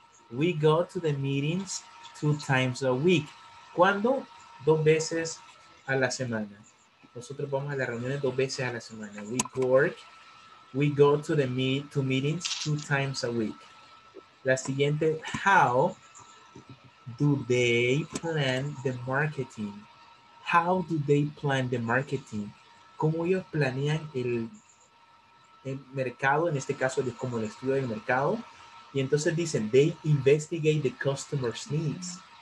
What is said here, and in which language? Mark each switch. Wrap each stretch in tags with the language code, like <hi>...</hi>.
<en>We go to the meetings 2 times a week.</en> <es>¿Cuándo? 2 veces a la semana. Nosotros vamos a las reuniones 2 veces a la semana.</es> <en>We work. We go to the meetings 2 times a week. La siguiente, how do they plan the marketing? How do they plan the marketing? ¿Cómo ellos planean el mercado?</en> <es>En este caso, es como el estudio del mercado.</es> <en>Y entonces dicen, they investigate the customer's needs.</en>